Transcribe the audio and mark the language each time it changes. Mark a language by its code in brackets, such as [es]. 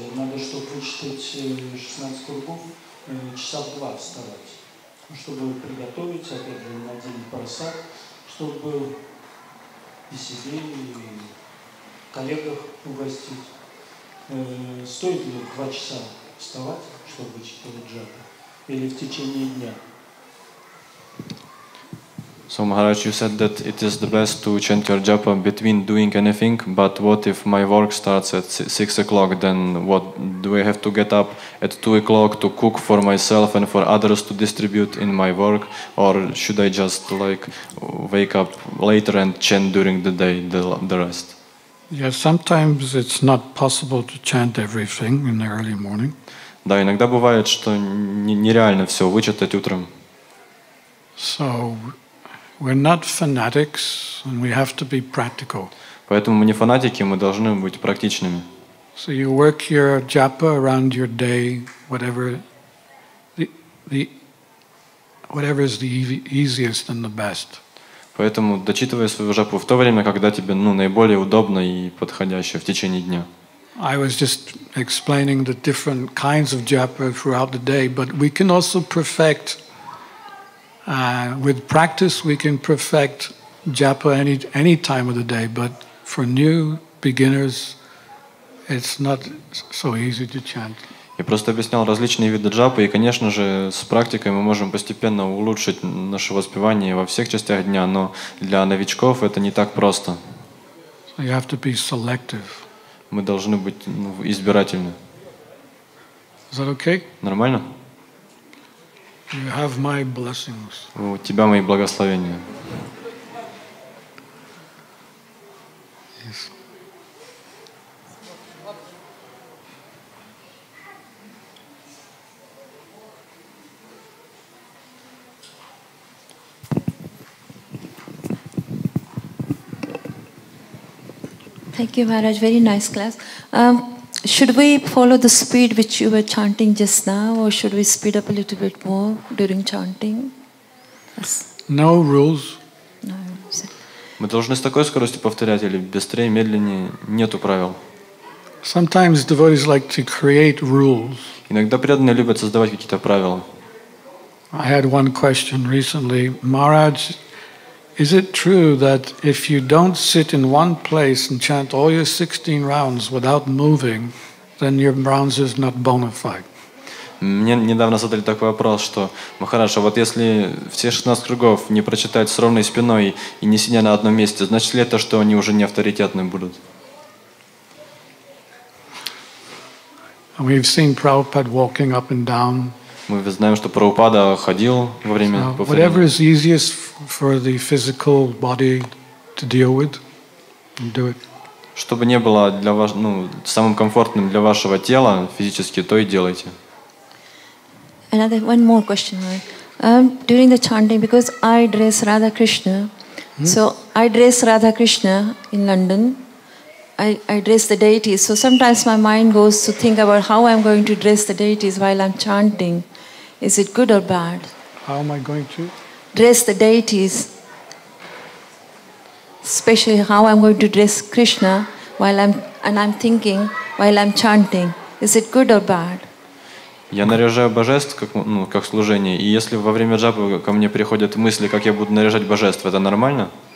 [ru] Надо, чтобы вычитать 16 кругов, часа в 2 вставать, чтобы приготовить, опять же, на день просад, чтобы и себе, и коллегах угостить. Стоит ли 2 часа вставать, чтобы читать джапу? Или в течение дня? [en] So Maharaj, you said that it is the best to chant your japa between doing anything, but what if my work starts at 6 o'clock, then what do I have to get up at 2 o'clock to cook for myself and for others to distribute in my work, or should I just like wake up later and chant during the day the rest? Yeah, sometimes it's not possible to chant everything in the early morning. [ru] Да, иногда бывает, что нереально все вычитать утром. [en] So we're not fanatics, and we have to be practical. [ru] Поэтому мы не фанатики, мы должны быть практичными. [en] So you work your japa around your day, whatever is the easiest and the best. [ru] Поэтому дочитывай свою джапу в то время, когда тебе наиболее удобно и подходящее в течение дня. [en] I was just explaining the different kinds of japa throughout the day, but we can also perfect. With practice, we can perfect japa any time of the day. But for new beginners, it's not so easy to chant. [ru] Я просто объяснял различные виды джапы, и, конечно же, с практикой мы можем постепенно улучшить наше воспевание во всех частях дня. Но для новичков это не так просто. [en] So you have to be selective. [ru] Мы должны быть избирательны. [en] Is that okay? [ru] Нормально? [en] You have my blessings. [ru] У тебя мои благословения. [en] Yes. Thank you, Maharaj. Very nice class. Should we follow the speed which you were chanting just now, or should we speed up a little bit more during chanting? Yes. No rules. No rules. [ru] Мы должны с такой скоростью повторять или быстрее, медленнее? Нету правил. [en] Sometimes devotees like to create rules. [ru] Иногда преданные любят создавать какие-то правила. [en] I had one question recently, Maharaj. Is it true that if you don't sit in one place and chant all your 16 rounds without moving, then your rounds is not bona fide? [ru] Мне недавно задали такой вопрос, что Махараш, а вот если все 16 кругов не прочитать с ровной спиной и не сидя на одном месте, значит ли это, что они уже не авторитетны будут? [en] And we've seen Prabhupada walking up and down. [ru] Мы знаем, что Прабхупада ходил во время повторения. [en] Whatever is easiest for the physical body to deal with, do it. [ru] Чтобы не было для вас самым комфортным для вашего тела физически, то и делайте. [en] Another one more question. During the chanting, because I dress Radha Krishna, so I dress Radha Krishna in London. I dress the deities. So sometimes my mind goes to think about how I'm going to dress the deities while I'm chanting. Is it good or bad? How am I going to? Dress the deities. Especially how I'm going to dress Krishna while I'm chanting. Is it good or bad? [ru] Я наряжаю божеств как служение. И если во время джапы ко мне приходят мысли, как я буду наряжать божество, это нормально?